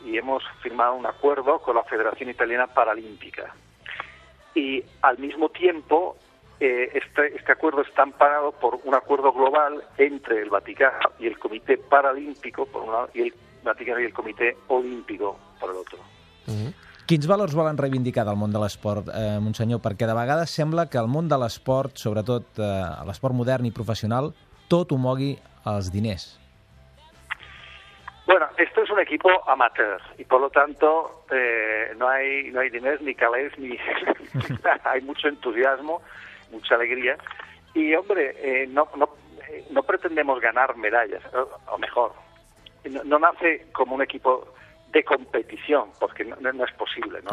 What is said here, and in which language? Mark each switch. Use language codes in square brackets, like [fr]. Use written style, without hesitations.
[es] Y hemos firmado un acuerdo con la Federación Italiana Paralímpica. Y, al mismo tiempo, este acuerdo está amparado por un acuerdo global entre el Vaticano y el Comité Paralímpico, por un lado, y el Vaticano y el Comité Olímpico, por el otro. [ca] Quins valors volen reivindicar del món de l'esport, Monsenyor? Perquè de vegades sembla que el món de l'esport, sobretot l'esport modern i professional, tot ho mogui als diners. [es] Bueno, esto es un equipo amateur y por lo tanto no hay diners ni calés ni... hay mucho entusiasmo, mucha alegría. Y hombre, no pretendemos ganar medallas, o mejor, no nace como un equipo de competición, porque no es posible, ¿no?